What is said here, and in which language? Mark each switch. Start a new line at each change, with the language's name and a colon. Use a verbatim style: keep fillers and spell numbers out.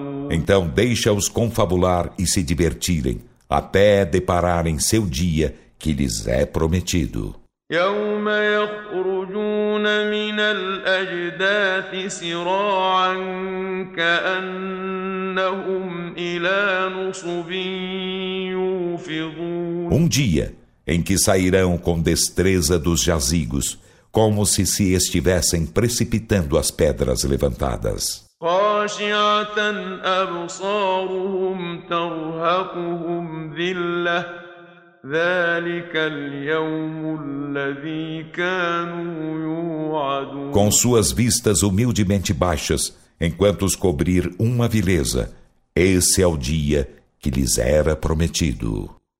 Portuguese: Então deixa-os confabular e se divertirem, até depararem seu dia que lhes é prometido.
Arabic: يوم يخرجون من الأجداث سراعا كأنهم إلى نصب يوفضون.
Portuguese: Um dia em que sairão com destreza dos jazigos, como se se estivessem precipitando as pedras levantadas.
Arabic: خاشعة أبصارهم ترهقهم ذلة.
Portuguese: Com suas vistas humildemente baixas, enquanto os cobrir uma vileza, esse é o dia que lhes era prometido.